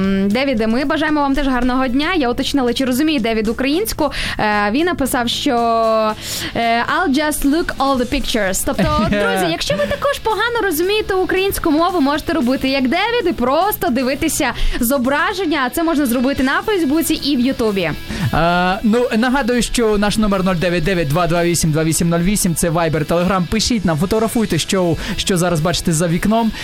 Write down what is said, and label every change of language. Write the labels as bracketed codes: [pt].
[uk] Девіде, ми бажаємо вам теж гарного дня. Я уточнила, чи розуміє Девід українську. Він написав, що [en] I'll just look all the pictures. [uk] Тобто, друзі, якщо ви також погано розумієте українську мову, можете робити як Девід і просто дивитися зображення. Це можна зробити на Фейсбуці і в Ютубі. Нагадую, що наш номер 099-228-2808 – це Viber, Telegram. Пишіть нам, фотографуйте, що зараз бачите за вікном.